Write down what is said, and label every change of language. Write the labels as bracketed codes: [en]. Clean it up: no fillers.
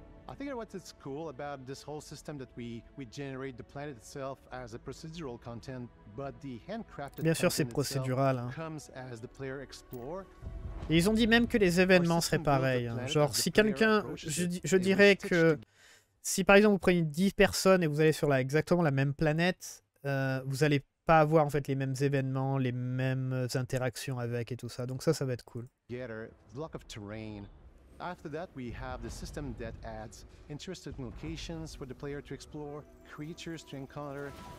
[en] I think what's cool about this whole system that we generate the planet itself as a procedural content, but the handcrafted. [fr] Bien sûr, c'est procédural. Hein. [en] Comes as the player explore. [fr] Et ils ont dit même que les événements seraient pareils. Genre, si quelqu'un, je dirais que si par exemple vous prenez 10 personnes et vous allez sur exactement la même planète, vous allez pas avoir en fait les mêmes événements, les mêmes interactions avec et tout ça. Donc ça va être cool. [en] Together, block of terrain. After that, we have the system that adds interesting locations for the player to explore, creatures to encounter,